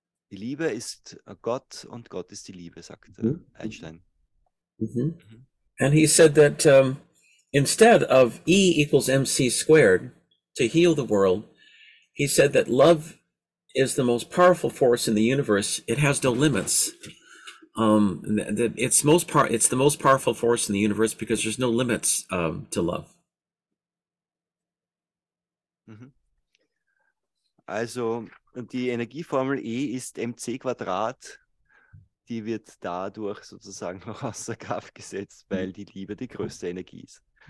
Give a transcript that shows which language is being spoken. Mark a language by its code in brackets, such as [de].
[de] Die Liebe ist Gott und Gott ist die Liebe, sagt Einstein. [en] And he said that instead of E equals MC squared to heal the world, he said that love is the most powerful force in the universe. It has no limits. It's the most powerful force in the universe because there's no limits to love. [de] Also, und die Energieformel E ist mc Quadrat, die wird dadurch sozusagen noch außer Kraft gesetzt, weil die Liebe die größte Energie ist.